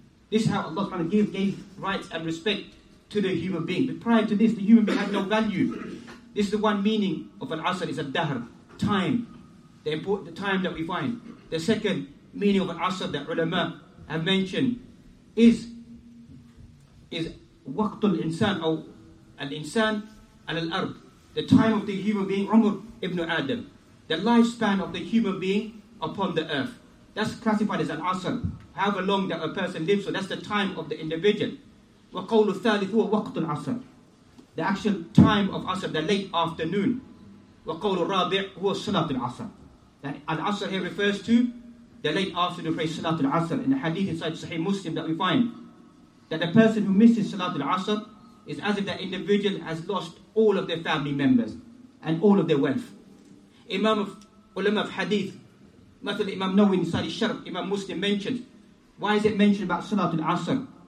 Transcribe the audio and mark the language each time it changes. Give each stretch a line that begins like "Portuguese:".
English: This is how Allah subhanahu wa ta'ala gave rights and respect to the human being. But prior to this, the human being had no value. This is the one meaning of Al-Asr, is Al-Dahr, time, the time that we find. The second meaning of Al-Asr that ulama have mentioned is
Arabic: وقت الإنسان أو الإنسان على الأرض.
English: The time of the human being,
Arabic: عمر ابن آدم.
English: The lifespan of the human being upon the earth. That's classified as an asr. However long that a person lives, so that's the time of the individual.
Arabic: وقول الثالث هو وقت العصر.
English: The actual time of asr, the late afternoon.
Arabic: وقول الرابع هو صلاة العصر.
English: That al-asr here refers to the late afternoon prayer, salat al-asr. In the hadith inside Sahih Muslim that we find that the person who misses salat al-asr is as if that individual has lost all of their family members and all of their wealth. Imam of ulama of hadith, مثل Imam Nawawi inside Sharh, Imam Muslim mentioned, why is it mentioned about salat al-asr?